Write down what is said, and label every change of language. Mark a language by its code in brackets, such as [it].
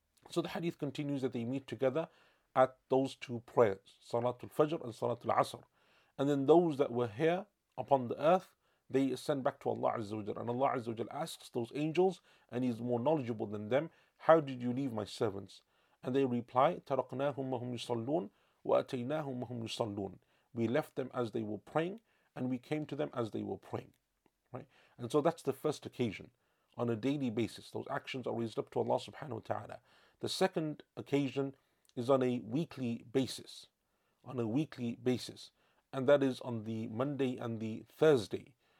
[en] So the hadith continues that they meet together at those two prayers, Salatul Fajr and Salatul Asr. And then those that were here upon the earth, they ascend back to Allah Azza wa Jal. And Allah Azza wa Jal asks those angels, and he's more knowledgeable than them, how did you leave my servants? And they reply, [ar] تَرَقْنَاهُمْ مَهُمْ يُصَلُّونَ وَأَتَيْنَاهُمْ مَهُمْ يُصَلُّونَ. [en] We left them as they were praying, and we came to them as they were praying. Right? And so that's the first occasion. On a daily basis, those actions are raised up to Allah subhanahu wa ta'ala. The second occasion is on a weekly basis. On a weekly basis. And that is on the Monday and the Thursday.